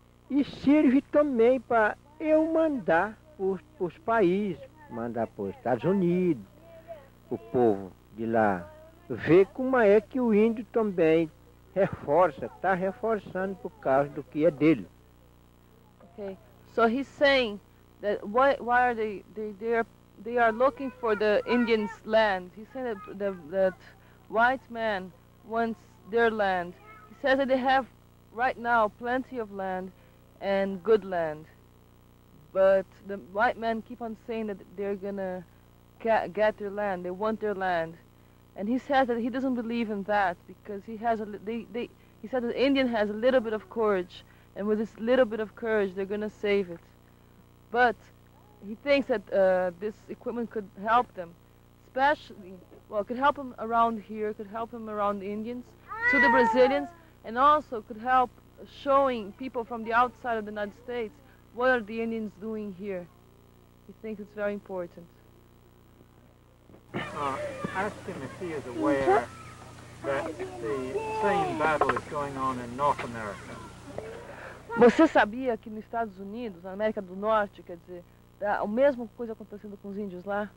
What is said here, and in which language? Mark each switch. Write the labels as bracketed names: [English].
[Portuguese] E serve também para eu mandar para os países, mandar para os Estados Unidos, o povo de lá, ver como é que o índio também reforça, está reforçando por causa do que é dele. [English] Ok, so he's saying that why are they are looking for the Indians' land? He said that that white man wants their land. He says that they have right now plenty of land and good land, but the white men keep on saying that they're gonna get their land. They want their land. And he says that he doesn't believe in that because he said that the Indian has a little bit of courage, and with this little bit of courage, they're going to save it. But he thinks that this equipment could help them, especially, well, it could help them around here, could help them around the Indians, to the Brazilians, and also could help showing people from the outside of the United States what are the Indians doing here. He thinks it's very important. Asking if he is aware that the same battle is going on in North America. [Portuguese] Você sabia que nos Estados Unidos, na América do Norte, quer dizer, tá a mesma coisa acontecendo com os índios lá?